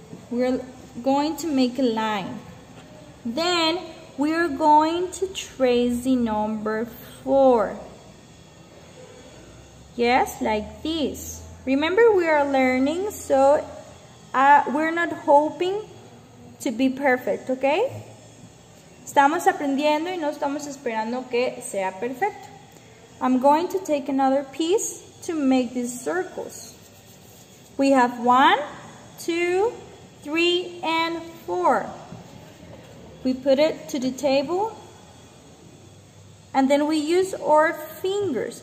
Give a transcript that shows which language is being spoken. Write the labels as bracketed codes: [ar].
[en] We're going to make a line. Then, we're going to trace the number 4. Yes, like this. Remember, we are learning, so we're not hoping to be perfect, okay? [es] Estamos aprendiendo y no estamos esperando que sea perfecto. [en] I'm going to take another piece to make these circles. We have 1, 2, 3, and 4. We put it to the table, and then we use our fingers.